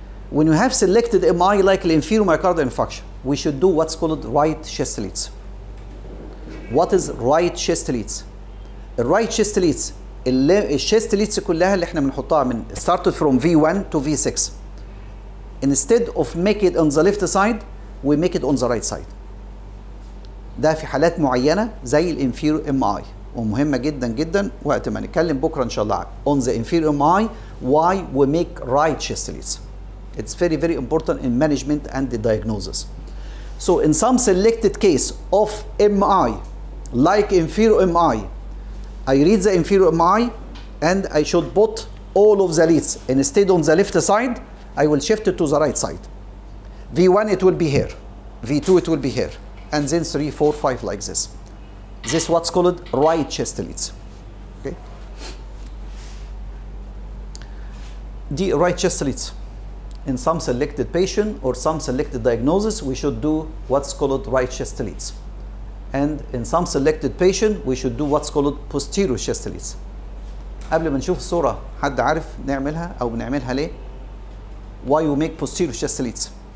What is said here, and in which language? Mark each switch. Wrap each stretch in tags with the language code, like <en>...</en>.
<en>When you have selected MI like the inferior myocardial infarction, we should do what's called right chest leads. What is right chest leads? The right chest leads, the chest leads</en> <ar>كلها اللي احنا بنحطها من</ar> <en>started from V1 to V6. Instead of make it on the left side, we make it on the right side.</en> <ar>ده في حالات معينة زي الـ inferior MI ومهمة جدا جدا وقت ما نتكلم بكرة إن شاء الله</ar> <en>on the inferior MI why we make right chest leads. It's very very important in management and the diagnosis. So in some selected case of MI like inferior MI, I read the inferior MI and I should put all of the leads instead on the left side, I will shift it to the right side. V1 it will be here, V2 it will be here. And then 3, 4, 5 like this. This is what's called right chest leads. Okay. The right chest leads. In some selected patient or some selected diagnosis, we should do what's called right chest leads. And in some selected patient, we should do what's called posterior chest leads.</en> <ar>قبل ما نشوف الصورة حد عارف نعملها أو بنعملها ليه؟</ar> <en>Why we make posterior chest leads?</en>